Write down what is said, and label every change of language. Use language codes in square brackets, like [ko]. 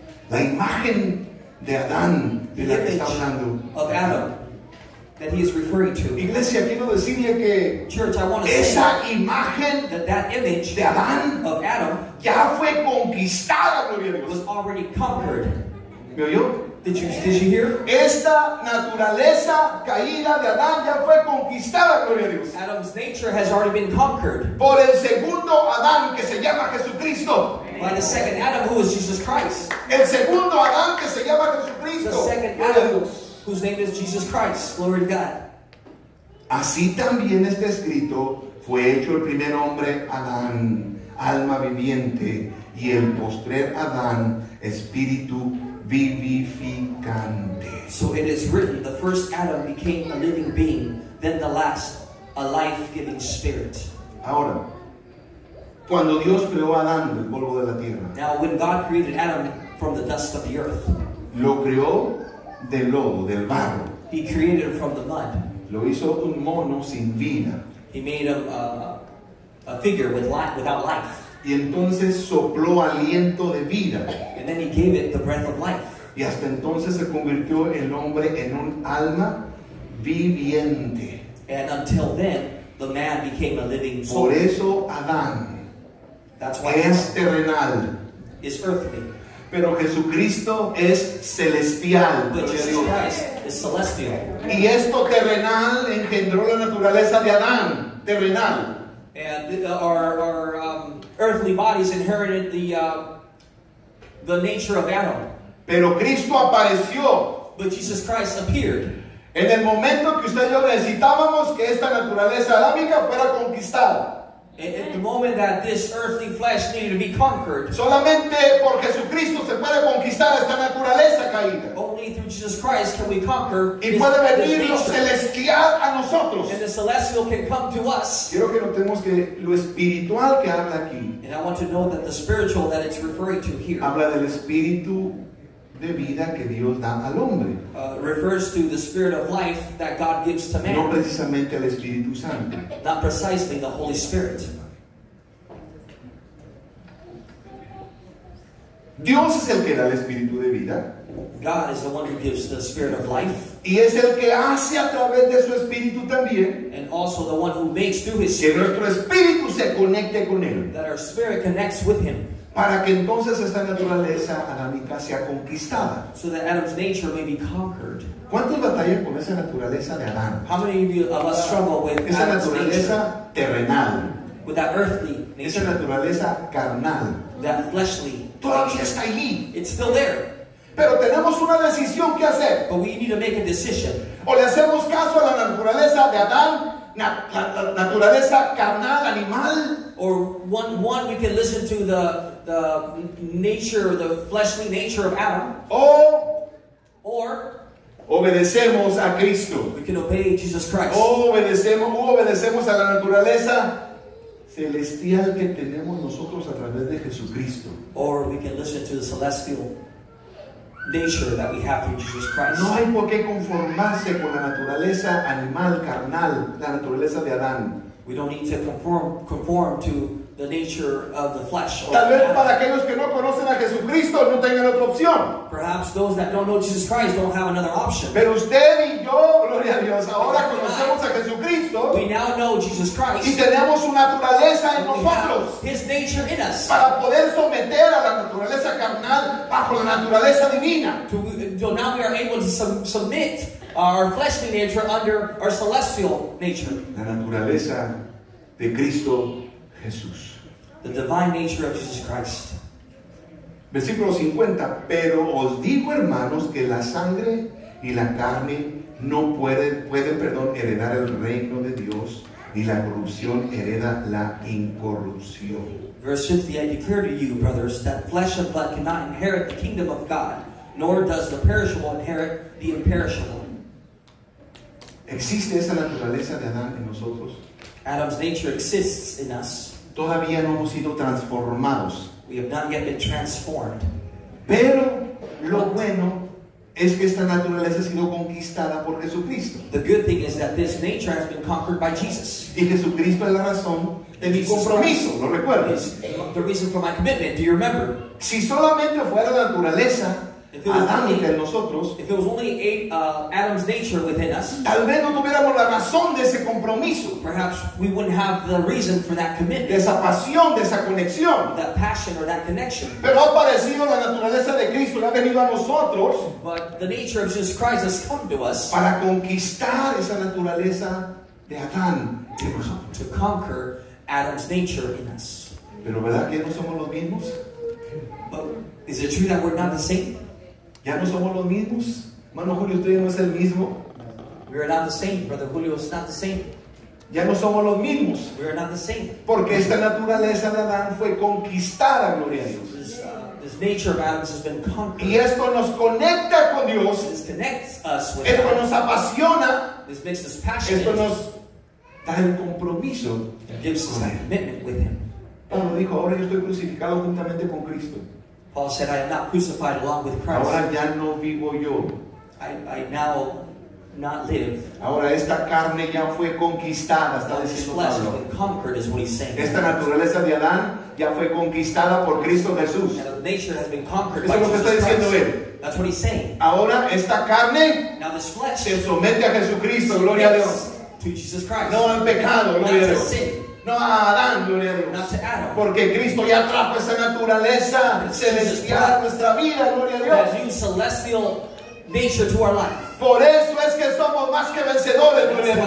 [es] La imagen de Adán de la que está hablando. [en] Of Adam that he is referring to. [es] Iglesia, quiero decirle que [en] church, I want to [es] esa [en] say [es] imagen [en] that image [es] de Adán [en] of Adam [es] ya fue conquistada, gloria a Dios. [en] Was already conquered. [es] ¿Me oyó? [en] Did you hear? [es] Esta naturaleza caída de Adán ya fue conquistada, gloria a Dios. [en] Adam's nature has already been conquered. [es] Por el segundo Adán que se llama Jesucristo. [en] By the second Adam who is Jesus Christ. [es] El segundo Adán que se llama Jesucristo. [en] The second Adam whose name is Jesus Christ. Glory to God. [es] Así también está escrito, fue hecho el primer hombre Adán, alma viviente, y el postrer Adán, espíritu vivificante. [en] So it is written, the first Adam became a living being, then the last, a life-giving spirit. [es] Ahora, cuando Dios creó a Adán del polvo de la tierra, [en] now when God created Adam from the dust of the earth, [es] lo creó del lodo, del barro. [en] He created him from the mud. [es] Lo hizo un mono sin vida. [en] He made him a figure with life, without life. [es] Y entonces sopló aliento de vida. [en] And then he gave it the breath of life. [es] Y hasta entonces se convirtió el hombre en un alma viviente. [en] And until then, the man became a living soul. [es] Por eso Adán [en] that's why [es] es terrenal. [en] Is earthly. Pero Jesucristo es celestial. But Jesus Christ is celestial. [es] Y esto terrenal engendró la naturaleza de Adán. Terrenal. [en] And our earthly bodies inherited the nature of Adam. [es] Pero Cristo apareció. [en] But Jesus Christ appeared. [es] En el momento que usted y yo necesitábamos que esta naturaleza adámica fuera conquistada. [en] At the moment that this earthly flesh needed to be conquered. [es] Solamente por Jesucristo se puede conquistar esta naturaleza caída. [en] Only through Jesus Christ can we conquer. [es] Y puede venir lo celestial a nosotros. [en] And the celestial can come to us. [es] Quiero que notemos que lo espiritual que habla aquí. [en] And I want to know that the spiritual that it's referring to here. [es] Habla del espíritu de vida que Dios da al hombre. [en] Refers to the spirit of life that God gives to man. [es] No precisamente el Espíritu Santo. [en] Not precisely the Holy Spirit. [es] Dios es el que da el Espíritu de vida. [en] God is the one who gives the spirit of life. [es] Y es el que hace a través de su Espíritu también. [en] And also the one who makes through his spirit. [es] Que nuestro Espíritu se conecte con él. [en] That our spirit connects with him. [es] Para que entonces esta naturaleza adámica sea conquistada. [en] So that Adam's nature may be conquered. [es] ¿Cuántos batallan con esa naturaleza de Adán? [en] How many of you of us struggle with [es] esa [en] Adam's [es] naturaleza [en] nature? [es] Terrenal? [en] With that earthly nature. [es] Esa naturaleza carnal. [en] That fleshly. [es] Todavía está allí. [en] It's still there. [es] Pero tenemos una decisión que hacer. [en] But we need to make a decision. [es] O le hacemos caso a la naturaleza de Adán. La naturaleza carnal, animal. [en] Or one we can listen to the nature, the fleshly nature of Adam. [es] Or obedecemos a Cristo. [en] We can obey Jesus Christ. [es] Obedecemos a la naturaleza celestial que tenemos nosotros a través de Jesucristo. [en] Or we can listen to the celestial nature that we have through Jesus Christ. [es] No hay por qué conformarse con la naturaleza animal, carnal, la naturaleza de Adán. [en] We don't need to conform to the nature of the flesh. [es] Tal vez para aquellos que no conocen a Jesucristo no tengan otra opción. [en] Perhaps those that don't know Jesus Christ don't have another option. [es] Pero usted y yo, gloria a Dios, ahora conocemos a Jesucristo. [en] We now know Jesus Christ. [es] Y tenemos su naturaleza en nosotros. [en] His nature in us. [es] Para poder someter a la naturaleza carnal bajo la naturaleza divina. [en] So now we are able to submit our fleshly nature under our celestial nature. [es] La naturaleza de Cristo Jesús. [en] The divine nature of Jesus Christ. [es] Versículo 50. Pero os digo, hermanos, que la sangre y la carne no pueden heredar el reino de Dios, y la corrupción hereda la incorrupción. [en] Verse 50. I declare to you, brothers, that flesh and blood cannot inherit the kingdom of God, nor does the perishable inherit the imperishable. [es] ¿Existe esa naturaleza de Adán en nosotros? [en] Adam's nature exists in us. [es] Todavía no hemos sido transformados. [en] We have not yet been transformed. [es] Pero lo bueno es que esta naturaleza ha sido conquistada por Jesucristo. [en] The good thing is that this nature has been conquered by Jesus. [es] Y Jesucristo es la razón de mi compromiso, ¿lo recuerdas? [en] The reason for my commitment, do you remember? [es] Si solamente fuera la naturaleza adámica en nosotros, [en] if it was only Adam's nature within us, [es] tal vez no tuviéramos la razón de ese compromiso. [en] Perhaps we wouldn't have the reason for that commitment. [es] De esa pasión, de esa conexión. [en] That passion or that connection. [es] Pero ha aparecido la naturaleza de Cristo, ha venido a nosotros. [en] But the nature of Jesus Christ has come to us. [es] Para conquistar esa naturaleza de Adán en nosotros. [en] To conquer Adam's nature in us. [es] Pero ¿verdad que no somos los mismos? [en] But is it true that we're not the same? [es] Ya no somos los mismos. Hermano Julio, usted no es el mismo. [en] We are not the same. Brother Julio is not the same. [es] Ya no somos los mismos. [en] We are not the same. [es] Porque esta naturaleza de Adán fue conquistada, gloria a Dios. [en] This nature of Adam's has been conquered. [es] Y esto nos conecta con Dios. [en] This connects us with [es] esto [en] God. [es] Nos apasiona. [en] This makes us passionate. [es] Esto nos da el compromiso. [en] It gives us a commitment with him. [es] Pablo dijo, ahora yo estoy crucificado juntamente con Cristo. [en] Paul said, I am not crucified along with Christ. [es] Ahora ya no vivo yo. [en] I now not live. [es] Ahora esta carne ya fue conquistada. Está [en] this flesh has been conquered, is what he's saying. [es] Esta naturaleza de Adán ya fue conquistada por Cristo Jesús. [en] And the nature has been conquered [es] eso [en] by [es] lo que [en] Jesus [es] está diciendo [en] Christ. [es] Él. [en] That's what he's saying. [es] Ahora esta carne [en] now this flesh [es] se somete a Jesucristo, gloria a Dios. [en] To Jesus Christ. [es] No al pecado, gloria [en] not [es] a Dios. No a Adán, gloria a Dios. Porque Cristo ya trajo esa naturaleza celestial a nuestra vida, gloria a Dios. [en] Has used celestial nature to our life. [es] Por eso es que somos más que vencedores, gloria a Dios.